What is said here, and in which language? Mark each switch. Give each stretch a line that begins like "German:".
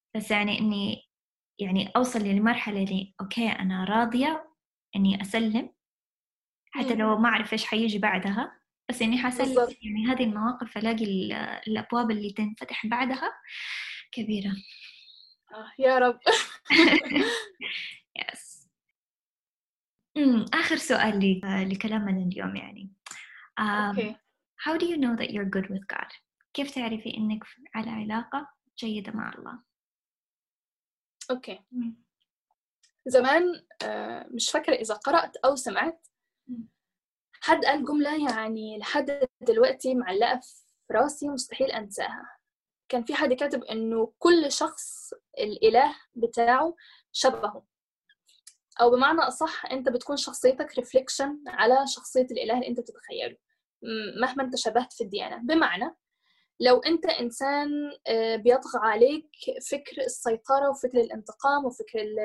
Arabic: بس يعني اني يعني اوصل للمرحله اللي اوكي انا راضيه اني اسلم حتى لو ما اعرف ايش حيجي بعدها بس إني حصل يعني هذه المواقف ألاقي الأبواب اللي تنفتح بعدها كبيرة. يا رب.
English: yes.
Arabic: آخر سؤال لي لكلامنا اليوم يعني.
English: How do you know that you're good with God?
Arabic: كيف تعرفي إنك على علاقة جيدة مع الله؟
English: Okay.
Arabic: زمان مش فاكرة إذا قرأت أو سمعت. حد قال جملة يعني لحد دلوقتي معلقة في راسي مستحيل أنساها كان في حد كاتب إنه كل شخص الإله بتاعه شبهه أو بمعنى أصح أنت بتكون شخصيتك ريفليكشن على شخصية الإله اللي أنت بتتخيله مهما أنت شبهت في الديانة بمعنى لو أنت إنسان بيطغى عليك فكر السيطرة وفكر الانتقام وفكر